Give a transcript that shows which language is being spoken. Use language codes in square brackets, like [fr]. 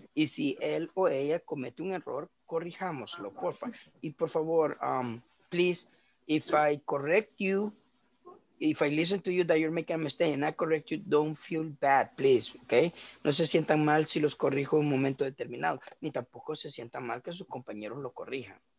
[es] Y si él o ella comete un error, corrijámoslo, porfa. Y por favor, [en] please, if I listen to you that you're making a mistake and I correct you, don't feel bad, please, okay? [es] No se sientan mal si los corrijo en un momento determinado, ni tampoco se sientan mal que sus compañeros lo corrijan.